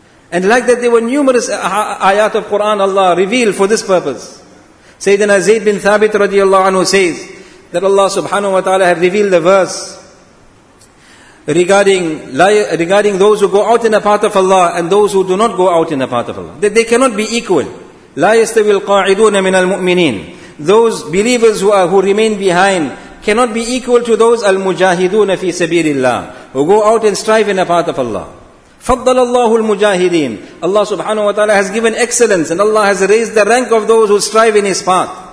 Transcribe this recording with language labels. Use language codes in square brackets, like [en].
[en] And like that, there were numerous ayat of Quran Allah revealed for this purpose. Sayyidina Zayd bin Thabit radiallahu anhu says that Allah subhanahu wa ta'ala had revealed the verse regarding those who go out in the path of Allah and those who do not go out in the path of Allah. That they cannot be equal. [ar] لا يستوي القاعدون من المؤمنين. [en] Those believers who remain behind cannot be equal to those al-mujahidun fi sabilillah, who go out and strive in the path of Allah. [ar] فضل الله المجاهدين. [en] Allah subhanahu wa ta'ala has given excellence and Allah has raised the rank of those who strive in His path.